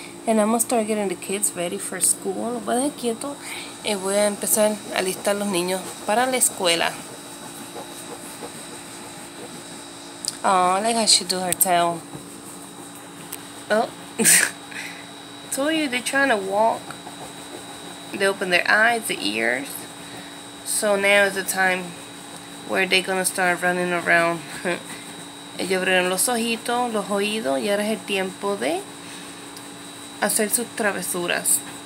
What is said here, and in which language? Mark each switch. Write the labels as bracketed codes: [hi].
[en] And I'm gonna start getting the kids ready for school. [es] Voy a dejar quieto. Y voy a empezar a listar los niños para la escuela. [en] Oh, I like how she do her tail. Oh, told you they're trying to walk. They open their eyes, the ears. So now is the time where they're gonna start running around. [es] Ellos abrieron los ojitos, los oídos, y ahora es el tiempo de hacer sus travesuras.